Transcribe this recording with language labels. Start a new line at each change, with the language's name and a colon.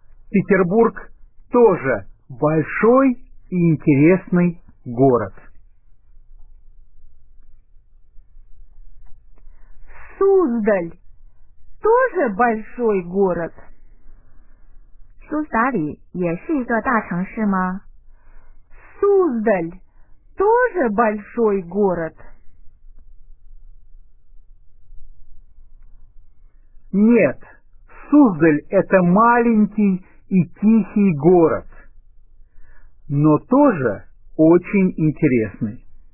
Russian: Петербург тоже большой и интересный город. Суздаль тоже большой город.
Chinese: 苏萨里也是一个大城市吗?
Russian: Суздаль тоже большой город. Нет, Суздаль это маленький и тихий город, но тоже очень интересный.